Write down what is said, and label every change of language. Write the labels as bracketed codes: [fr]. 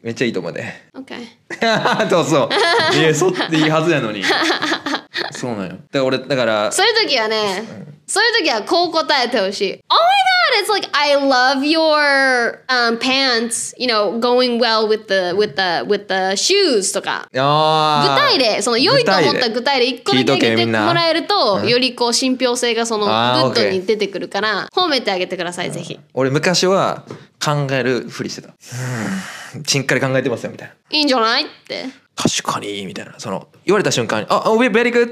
[ja] めっちゃいいと思うで。 [en] Okay. [ja] どうぞ。いや、そうって言うはずやのに。そうなのよ。だから、そういう時はね、そういう時はこう答えてほしい。 [en] Oh my god, it's like, I love your pants, you know, going well with the, with the, with the shoes [ja] とか。あ、具体例、その良いと思った具体例一個だけ言ってもらえると、うん、よりこう信憑性がそのグッドに出てくるから、褒めてあげてください、ぜひ、うん。俺昔は考えるふりしてた。しっかり考えてますよ、みたいな。いいんじゃないって。確かに、みたいな。その、言われた瞬間に、あ、 [en] oh, we're very good!